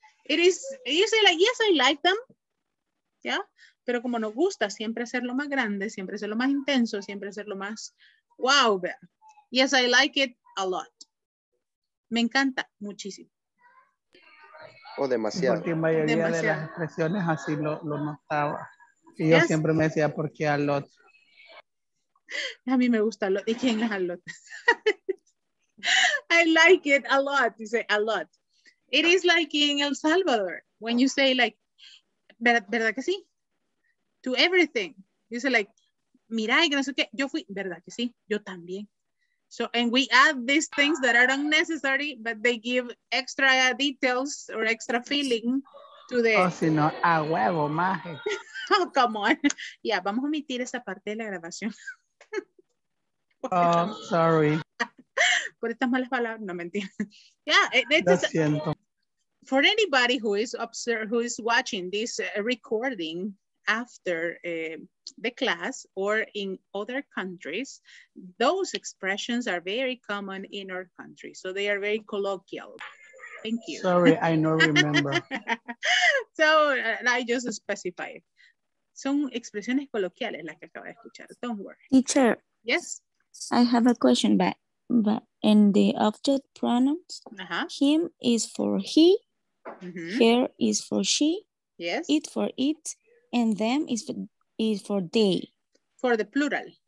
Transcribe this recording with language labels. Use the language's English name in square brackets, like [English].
[English] It is, you say like, yes, I like them. [Spanish] Yeah, pero como nos gusta siempre hacerlo más grande, siempre hacerlo más intenso, siempre hacerlo más... [English] Wow, Bea. Yes, I like it a lot. [Spanish] Me encanta muchísimo. O demasiado. Porque en mayoría demasiado. De las expresiones así lo notaba. Y yo siempre me decía, ¿por qué a lot? A mí me gusta [English] a lot. [Spanish] ¿Y quién es a lot? [English] I like it a lot. You say a lot. It is like in El Salvador. When you say like, [Spanish] ¿verdad que sí? [English] To everything. You say like, [Spanish] mira, y que no sé qué, yo fui, verdad que sí, yo también. [English] So, and we add these things that are unnecessary, but they give extra details or extra feeling to the... [Spanish] Oh, si no, a huevo, maje. [English] Oh, come on. [Spanish] Yeah, vamos a omitir esa parte de la grabación. [English] Oh, sorry. [Spanish] Por estas malas palabras, no me entiendes. [English] Yeah, it's... [Spanish] Lo siento. [English] For anybody who is watching this recording, after the class or in other countries, those expressions are very common in our country. So they are very colloquial. Thank you. Sorry, I don't remember. So I just specified. [Spanish] Son expresiones coloquiales las que acabo de escuchar. [English] Don't worry. Teacher. Yes? I have a question, but in the object pronouns, him is for he, her is for she, yes, it for it, and them is for they. For the plural.